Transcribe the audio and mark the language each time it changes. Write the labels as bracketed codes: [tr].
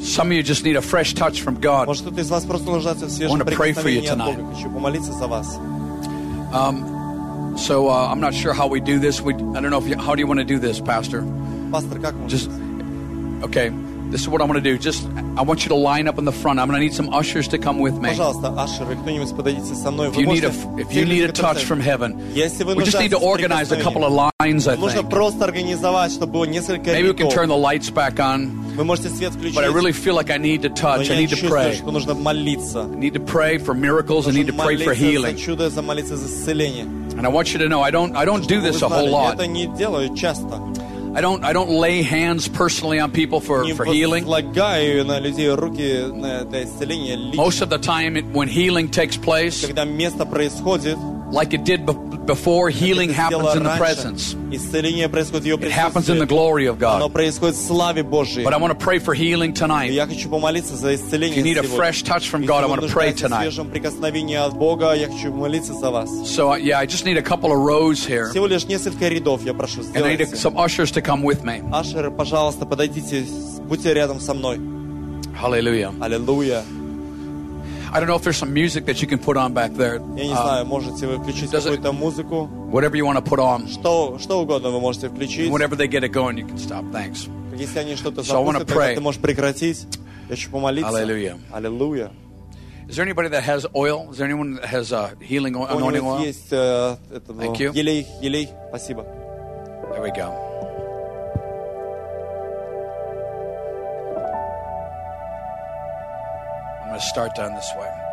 [en] Some of you just need a fresh touch from God. I want to pray for you tonight. So I'm not sure how we do this. How do you want to do this, Pastor? [ru] Pastor, как [en] just okay. This is what I'm going to do. Just I want you to line up in the front. I'm going to need some ushers to come with me. [ru] Пожалуйста, ашеры, кто-нибудь подойдите со мной. [en] If you need a touch from heaven, we just need to organize a couple of lines. I think. [ru] Нужно просто организовать, чтобы несколько. [en] Maybe we can turn the lights back on. [ru] Вы можете свет включить. [en] But I really feel like I need to touch. I need to pray. [ru] Что нужно молиться. [en] I need to pray for miracles. I need to pray for healing. [ru] За чудо, за молиться за исцеление. [en] And I want you to know, I don't do this a whole lot. [ru] Это не делаю часто. [en] I don't lay hands personally on people for healing. Most of the time, when healing takes place, [ru] когда место происходит, [en] like it did before, healing happens in the presence. [ru] Исцеление происходит в Его присутствии. [en] It happens in the glory of God. [ru] Оно происходит в славе Божьей. [en] But I want to pray for healing tonight. [ru] Я хочу помолиться за исцеление. [en] If you need a fresh touch from God, I want to pray tonight. [ru] Свежим прикосновением от Бога, я хочу молиться за вас. [en] So yeah, I just need a couple of rows here. [ru] Всего лишь несколько рядов я прошу сделать. [en] And I need some ushers to come with me. [ru] Ашеры, пожалуйста, подойдите, будьте рядом со мной. [en] Hallelujah. Hallelujah. I don't know if there's some music that you can put on back there. [ru] Я не знаю, можете вы включить какую-то музыку. [en] Whatever you want to put on. [ru] Что угодно вы можете включить. [en] Whenever they get it going, you can stop. Thanks. [ru] Если они что-то запустят, ты можешь прекратить. Я хочу помолиться. [en] Hallelujah. Hallelujah. Is there anybody that has oil? Is there anyone that has healing oil, anointing oil? [ru] Есть это. [en] Thank you. [ru] Елей, спасибо. [en] There we go. I'm going to start down this way.